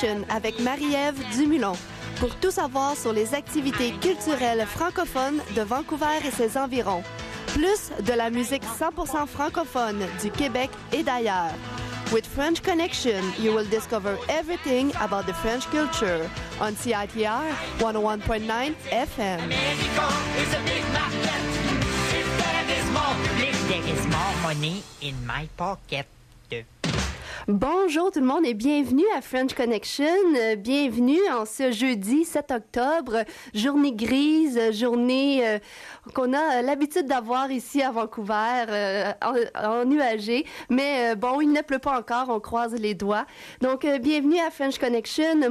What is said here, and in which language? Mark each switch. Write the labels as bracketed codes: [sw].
[fr] Avec Marie-Ève Dumoulin pour tout savoir sur les activités culturelles francophones de Vancouver et ses environs, plus de la musique 100% francophone du Québec et d'ailleurs. [en] With French Connection, you will discover everything about the French culture on CITR 101.9 FM. [fr] Bonjour tout le monde et bienvenue à French Connection. Bienvenue en ce jeudi 7 octobre, journée grise, journée qu'on a l'habitude d'avoir ici à Vancouver, ennuagé. Mais bon, il ne pleut pas encore, on croise les doigts. Donc, bienvenue à French Connection.